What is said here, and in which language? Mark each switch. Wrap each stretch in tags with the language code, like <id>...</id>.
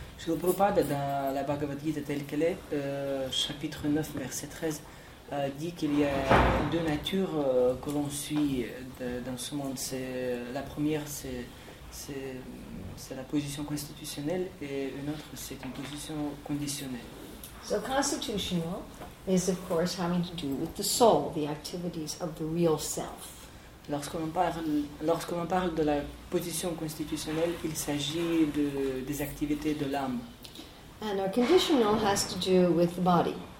<fr>Srila Prabhupada, dans la Bhagavad Gita telle qu'elle est, chapitre 9, verset 13, dit qu'il y a deux natures que l'on suit dans ce monde. La première, c'est la position constitutionnelle, et une autre, c'est une position conditionnelle.</fr> <en>So constitutional is of course having to do with the soul, the activities of the real self.</en> <fr>Lorsqu'on parle de la position constitutionnelle, il s'agit des activités de l'âme.</fr> <en>And our conditional has to do with the body.</en>